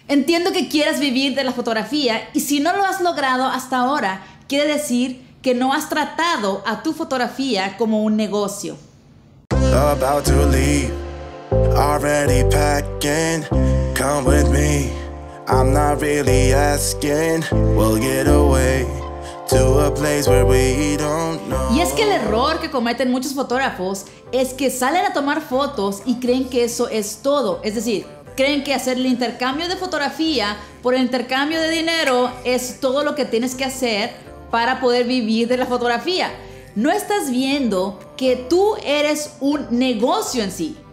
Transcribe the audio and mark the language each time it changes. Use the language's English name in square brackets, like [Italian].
[Spanish] Entiendo que quieras vivir de la fotografía y si no lo has logrado hasta ahora, quiere decir que no has tratado a tu fotografía como un negocio. [English] About to leave, already packing. Come with me, I'm not really asking. We'll get away to a place where we don't know. [Spanish] Y es que el error que cometen muchos fotógrafos es que salen a tomar fotos y creen que eso es todo. Es decir, creen que hacer el intercambio de fotografía por el intercambio de dinero es todo lo que tienes que hacer para poder vivir de la fotografía. No estás viendo que tú eres un negocio en sí.